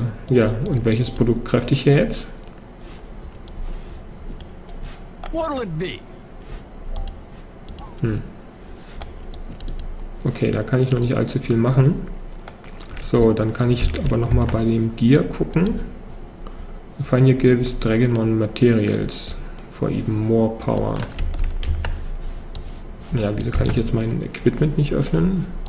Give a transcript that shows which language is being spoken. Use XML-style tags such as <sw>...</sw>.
<de>Ja, und welches Produkt kräfte ich hier jetzt?</de> <en>What'll it be?</en> <de>Okay, da kann ich noch nicht allzu viel machen. So, dann kann ich aber nochmal bei dem Gear gucken.</de> <en>Find your gear with Dragonmon Materials for even more power.</en> <de>Ja, wieso kann ich jetzt mein Equipment nicht öffnen?</de>